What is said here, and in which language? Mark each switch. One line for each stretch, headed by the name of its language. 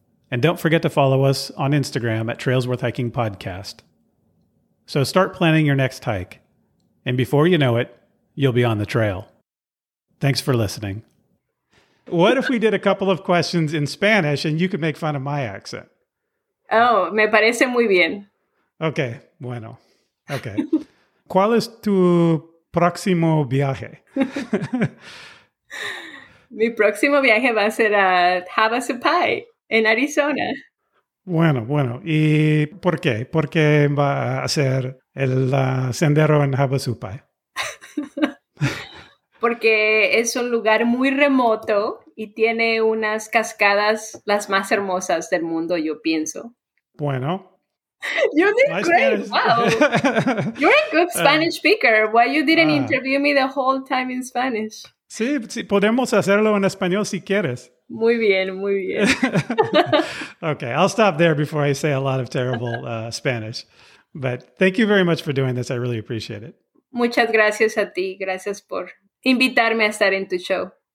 English: And don't forget to follow us on Instagram at trailsworthhikingpodcast. So start planning your next hike, and before you know it, you'll be on the trail. Thanks for listening. What if we did a couple of questions in Spanish and you could make fun of my accent?
Spanish: Oh, me parece muy bien. Okay, bueno. Okay. ¿Cuál es tu próximo viaje? Mi próximo viaje va a ser a Havasupai en Arizona. Bueno, bueno. ¿Y por qué? ¿Por qué va a ser el sendero en Havasupai? Porque es un lugar muy remoto y tiene unas cascadas las más hermosas del mundo, yo pienso. Bueno.
English: You did great. Wow. You're a good Spanish speaker. Why you didn't interview me the whole time in Spanish?
Spanish: Sí, sí, podemos hacerlo en español si quieres. Muy bien, muy bien.
English: Okay, I'll stop there before I say a lot of terrible Spanish. But thank you very much for doing this. I really appreciate it.
Spanish: Muchas gracias a ti. Gracias por invitarme a estar en tu show.